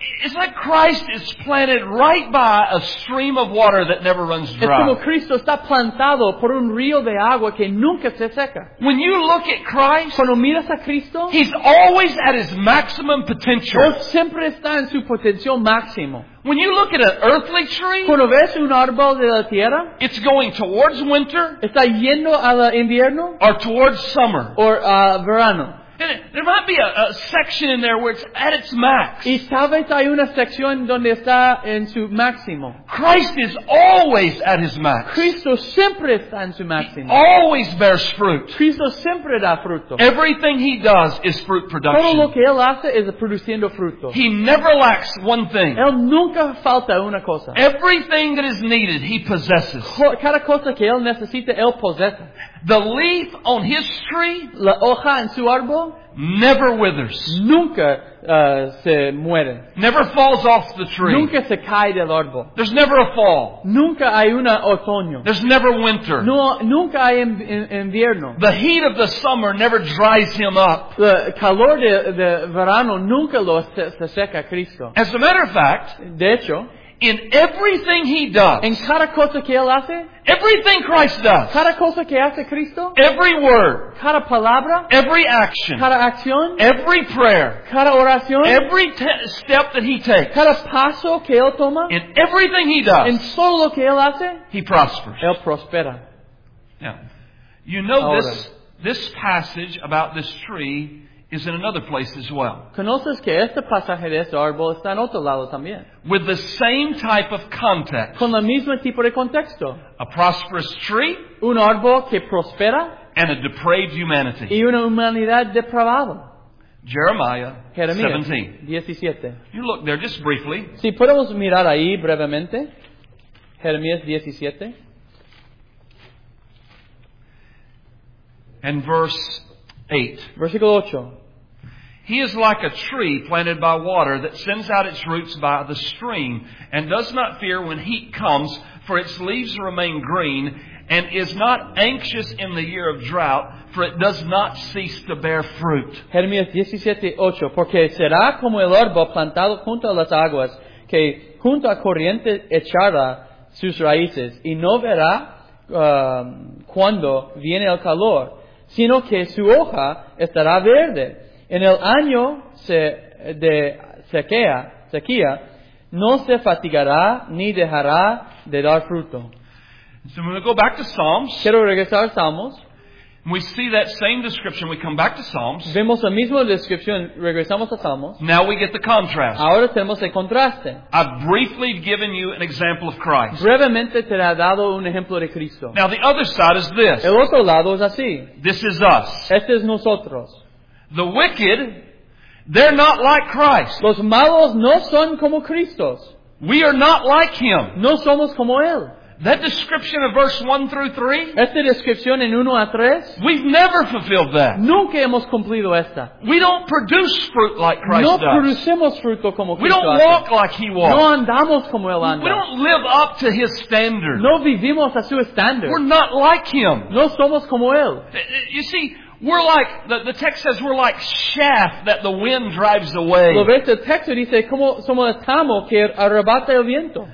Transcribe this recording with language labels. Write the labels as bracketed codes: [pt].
[en] It's like Christ is planted right by a stream of water that never runs dry. [es] Es como Cristo está plantado por un río de agua que nunca se seca. [en] When you look at Christ, [es] cuando miras a Cristo, [en] he's always at his maximum potential. [es] Él siempre está en su potencial máximo. [en] When you look at an earthly tree, [es] cuando ves un árbol de la tierra, [en] it's going towards winter, [es] está yendo al invierno, [en] or towards summer, [es] or verano. [en] There might be a section in there where it's at its max. [es] Y tal vez hay una sección donde está en su máximo. [en] Christ is always at his max. [es] Cristo siempre está en su máximo. [en] He always bears fruit. [es] Cristo siempre da fruto. [en] Everything he does is fruit production. [es] Todo lo que él hace es produciendo fruto. [en] He never lacks one thing. [es] Él nunca falta una cosa. [en] Everything that is needed, he possesses. [es] Cada cosa que él necesita, él posee. [en] The leaf on his tree, [es] la hoja en su árbol, [en] never withers. [es] Nunca se muere. [en] Never falls off the tree. [es] Nunca se cae del árbol. [en] There's never a fall. [es] Nunca hay una otoño. [en] There's never winter. [es] No, nunca hay invierno. [en] The heat of the summer never dries him up. [es] El calor de verano nunca lo se seca a Cristo. [en] As a matter of fact, [es] de hecho, [en] in everything he does, [es] en cada cosa que él hace, [en] everything Christ does, [es] cada cosa que hace Cristo, [en] every word, [es] cada palabra, [en] every action, [es] cada acción, [en] every prayer, [es] cada oración, [en] every step that he takes, [es] cada paso que él toma, [en] in everything he does, [es] en todo lo que él hace, [en] he prospers. [es] Él prospera. [en] Now, you know this passage about this tree is in another place as well. [es] ¿Conoces que este pasaje de este árbol está en otro lado también? [en] With the same type of context. [es] Con el mismo tipo de contexto. [en] A prosperous tree. [es] Un árbol que prospera. [en] And a depraved humanity. [es] Y una humanidad depravada. [en] Jeremiah 17. You look there just briefly. [es] Si podemos mirar ahí brevemente. Jeremías 17. [en] And verse 8. [es] Versículo 8. [en] He is like a tree planted by water that sends out its roots by the stream and does not fear when heat comes, for its leaves remain green and is not anxious in the year of drought, for it does not cease to bear fruit. [es] Jeremías 17:8. Porque será como el árbol plantado junto a las aguas, que junto a corriente echará sus raíces y no verá cuando viene el calor, sino que su hoja estará verde. En el año de sequía, no se fatigará ni dejará de dar fruto. [en] So when we go back to Psalms, [es] quiero regresar a Salmos. [en] We see that same description. We come back to Psalms. [es] Vemos la misma descripción. Regresamos a Salmos. [en] Now we get the contrast. [es] Ahora tenemos el contraste. [en] I've briefly given you an example of Christ. [es] Brevemente te ha dado un ejemplo de Cristo. [en] Now the other side is this. [es] El otro lado es así. [en] This is us. [es] Este es nosotros. [en] The wicked, they're not like Christ. [es] Los malos no son como Cristos. [en] We are not like Him. [es] No somos como Él. [en] That description of verse 1 through 3. [es] Esta descripción en 1 a 3. [en] We've never fulfilled that. [es] Nunca hemos cumplido esta. [en] We don't produce fruit like Christ does. [es] No producimos fruto como Cristo. [en] We don't walk like He walks. [es] No andamos como Él anda. [en] We don't live up to His standard. [es] No vivimos a su estándar. [en] We're not like Him. [es] No somos como Él. [en] You see, we're like, the text says we're like chaff that the wind drives away. [es] Lo ves, el texto dice, como somos estamos que arrebata el viento.